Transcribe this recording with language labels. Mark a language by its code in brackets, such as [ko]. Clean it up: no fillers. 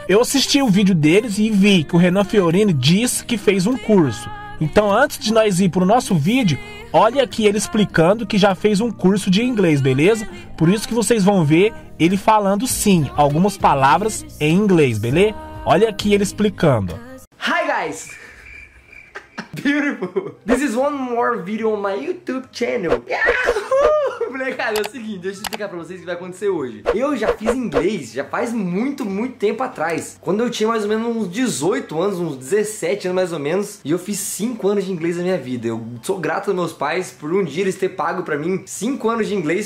[pt] Eu assisti o vídeo deles e vi que o Renan Fiorini disse que fez um curso. Então, antes de nós ir pro nosso vídeo, olha aqui ele explicando que já fez um curso de inglês, beleza? Por isso que vocês vão ver ele falando, sim, algumas palavras em inglês, beleza? Olha aqui ele explicando. [en] Hi, guys! Beautiful! This is one more video on my YouTube channel. Yeah! [pt] Cara, é o seguinte, deixa eu explicar pra vocês o que vai acontecer hoje. Eu já fiz inglês, já faz muito, muito tempo atrás. Quando eu tinha mais ou menos uns 18 anos, uns 17 anos mais ou menos. E eu fiz 5 anos de inglês na minha vida. Eu sou grato aos meus pais por um dia eles terem pago pra mim 5 anos de inglês.